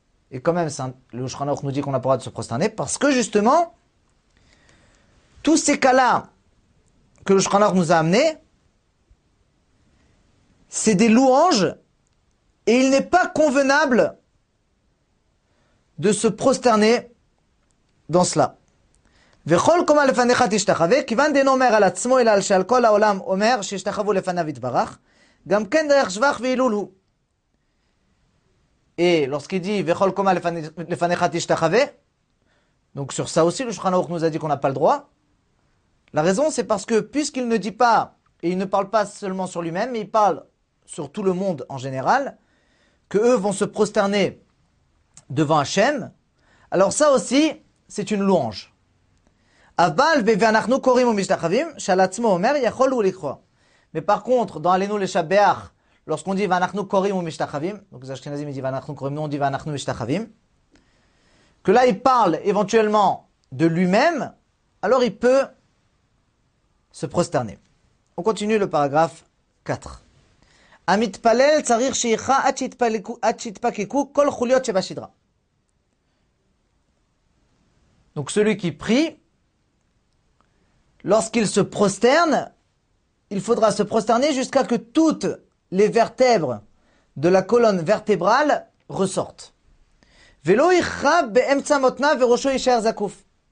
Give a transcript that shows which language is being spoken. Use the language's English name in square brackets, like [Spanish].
[French] Et quand même, le Shulchan Aruch nous dit qu'on n'a pas le droit de se prosterner, parce que justement, tous ces cas-là que le Shulchan Aruch nous a amenés, c'est des louanges, et il n'est pas convenable de se prosterner dans cela. [Hebrew] וכול קומה לפניך תשתחווה, כיוון דין אומר על עצמו אלא על שעל כל העולם אומר שישתחוו לפניו יתברך, גם כן דרך שבח ואילול הוא. [French] Et lorsqu'il dit [Hebrew] וכול קומה לפניך תשתחווה, [French] donc sur ça aussi le Shulchan Aruch nous a dit qu'on n'a pas le droit. La raison c'est parce que puisqu'il ne dit pas, et il ne parle pas seulement sur lui-même, mais il parle sur tout le monde en général, que eux vont se prosterner devant Hachem, alors ça aussi c'est une louange. [Hebrew] אבל ואנחנו קוראים ומשתחווים שעל עצמו אומר יכול הוא לקרוא. [French] Mais par contre, dans Alenu Leshabeach, lorsqu'on dit [Hebrew] ואנחנו קוראים ומשתחווים, [French] donc les Ashkenazim disent [Hebrew] ואנחנו קוראים, [French] nous on dit [Hebrew] ואנחנו משתחווים, [French] que là il parle éventuellement de lui-même, alors il peut se prosterner. On continue le paragraphe 4. [Hebrew] המתפלל צריך שיחה עד שיתפקקו כל חוליות שבשדרה. [French] Donc celui qui prie, lorsqu'il se prosterne, il faudra se prosterner jusqu'à que toutes les vertèbres de la colonne vertébrale ressortent. [Hebrew] Velo ichra be'emtsa motna ve'rosho yishar zakuf.